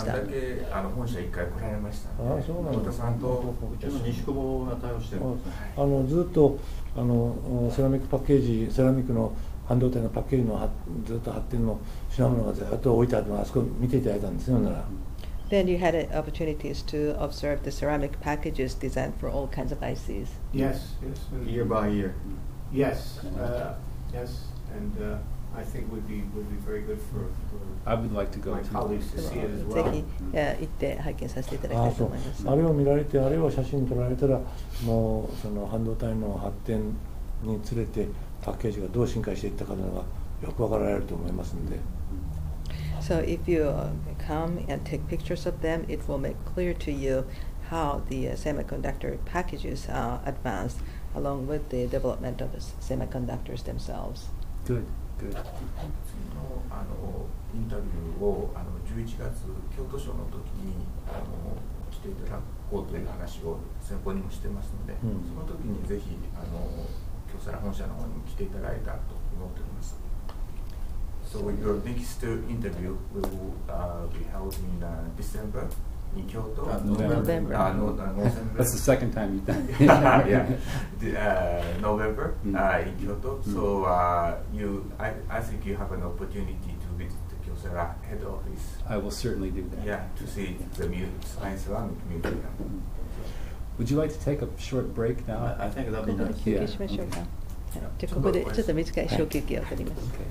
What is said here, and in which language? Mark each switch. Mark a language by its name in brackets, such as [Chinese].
[Japanese] さんだけ本社一回来られました。ああそうなん、太田さんと西久保が対応してる。ずっとセラミックパッケージ、セラミックの半導体のパッケージのずっと貼ってるの品物がずっと置いてあって、あそこ見ていただいたんですよ、なら。 [English] Then you had opportunities to observe the ceramic packages designed for all kinds of ICs. Yes, year by year. Yes, yes, and I think would be very good for I would like to go my colleagues to see it as well. [Japanese] ぜひ行って拝見させていただきたいと思います。あれを見られて、あれを写真撮られたら、もうその半導体の発展につれてパッケージがどう進化していったかというのがよく分かられると思いますので。 [English] So if you come and take pictures of them, it will make clear to you how the semiconductor packages advanced along with the development of the semiconductors themselves. Good, good. [Japanese] 次のインタビューを11月京都省の時に来ていただこうという話を先方にもしてますので、その時にぜひ京セラ本社の方にも来ていただいたと思っております。 [English] So your next interview will be held in December in Kyoto. November. November. That's the second time you've done it. Yeah. November in Kyoto. So I think you have an opportunity to visit the Kyocera head office. I will certainly do that. Yeah, to see the science ceramic museum. Would you like to take a short break now? I think that would be nice. Yeah. Okay. Yeah. [Japanese] じゃあここでちょっと短い小休憩を取ります。